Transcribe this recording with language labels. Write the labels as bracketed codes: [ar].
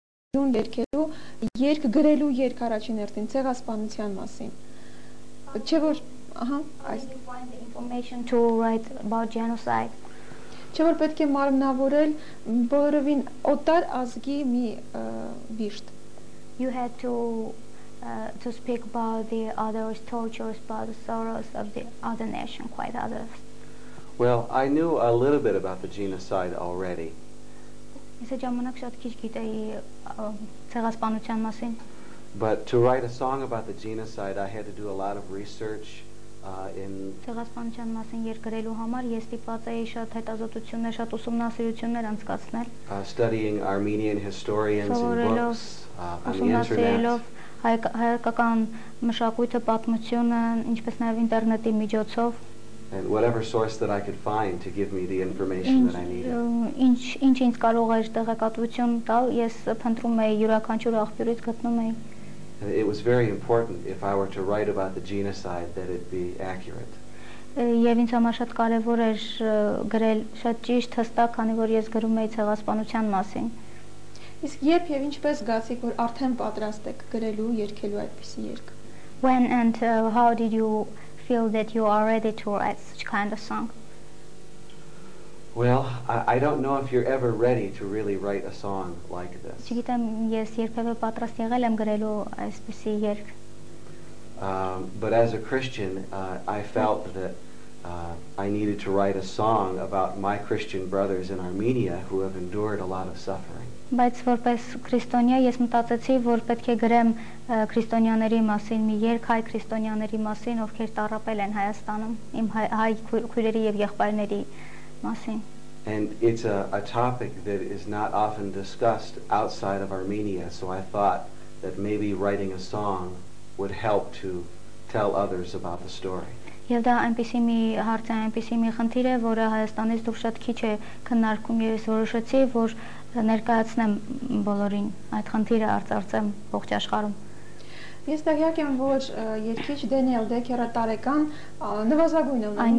[hy] Երկելու, երկ գրելու երկ առաջին հերթին, ցեղասպանության մասին։ Չէ որ, ահա, [en] այս… You find the information to write about genocide. [hy] Չէ որ պետք է մարմնավորել բոլորովին օտար ազգի մի վիշտ։ [en] You had to speak about the others' tortures, about the sorrows of the other nation, quite others. Well, I knew a little bit about the genocide already. [hy] Ես ժամանակ շատ քիչ գիտեի ցեղասպանության մասին։ [en] But to write a song about the genocide, I had to do a lot of research in [hy] ցեղասպանության մասին երգելու համար ես ստիպված էի շատ հետազոտություններ, շատ ուսումնասիրություններ անցկացնել։ [en] Studying Armenian historians and books on the internet. [hy] Հայկական մշակույթը, պատմությունը, ինչպես նաև ինտերնետի միջոցով։ [en] And whatever source that I could find to give me the information that I needed. [hy] Ինչ կարող էր տեղեկատվություն տալ, ես փնտրում էի յուրաքանչյուր աղբյուրից գտնում էի. [en] It was very important if I were to write about the genocide that it be accurate. [hy] Եվ ինձ համար շատ կարևոր էր գրել շատ ճիշտ, հստակ, քանի որ ես գրում էի ցեղասպանության մասին. Իսկ երբ եւ ինչպես գացիք, որ արդեն պատրաստ եք գրելու, երգելու այդպիսի երգ։ [en] When and how did you feel that you are ready to write such kind of song? Well, I don't know if you're ever ready to really write a song like this. [hy] Չգիտեմ, ես երբևէ պատրաստ եղել եմ գրելու այսպիսի երգ։ [en] But as a Christian, I felt that I needed to write a song about my Christian brothers in Armenia who have endured a lot of suffering. [hy] Բայց որպես քրիստոնյա ես մտածեցի, որ պետք է գրեմ քրիստոնյաների մասին մի երգ, հայ քրիստոնյաների մասին, ովքեր տառապել են Հայաստանում, իմ հայ քույրերի եւ եղբայրների մասին։ [en] And it's a topic that is not often discussed outside of Armenia, so I thought that maybe writing a song would help to tell others about the story. [hy] Եվ դա այնպիսի մի հարց է, այնպիսի մի խնդիր է, որը Հայաստանից դուրս շատ քիչ է քննարկում, եւ ես որոշեցի, որ ներկայացնեմ բոլորին այդ խնդիրը, արծարծեմ ողջ աշխարհում։ Ես տեղյակ եմ, որ երգիչ Դենիել Դեքերը տարեկան նվազագույն ունի